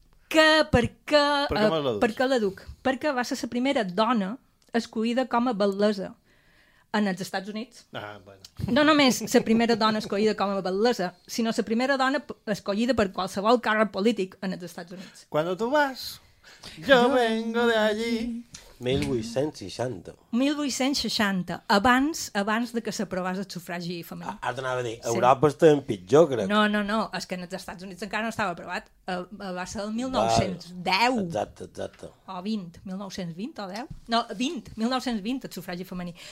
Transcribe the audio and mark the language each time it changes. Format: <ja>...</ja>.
<ca>Que per què... Per què l'educ? Perquè va ser la primera dona escollida com a batlessa en els Estats Units. Ah, bueno. No només la primera dona escollida com a batlessa, sinó la primera dona escollida per qualsevol càrrec polític en els Estats Units.</ca> <es>Cuando tú vas, yo vengo de allí.</es> <ca>1860. Abans de que s'aprovés el sufragi femení. Ah, ara t'anava a dir, Europa sí. Està en pitjor, crec. No, és que en els Estats Units encara no estava aprovat. Va ser el 1910. Val. Exacte. O 20, 1920 o 10. No, 20, 1920, el sufragi femení.</ca>